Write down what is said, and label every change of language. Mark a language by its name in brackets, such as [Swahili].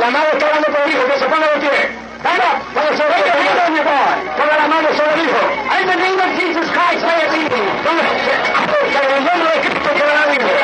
[Spanish] La madre está hablando por el hijo. Que se ponga de pie. [English] Stand up. [Spanish] Ponga sobre el hijo. Ponga sobre el hijo. Ponga la mano sobre el hijo. [English] In the name of Jesus Christ, may it be. [Spanish] Ponga. En el nombre de Cristo, que la vive.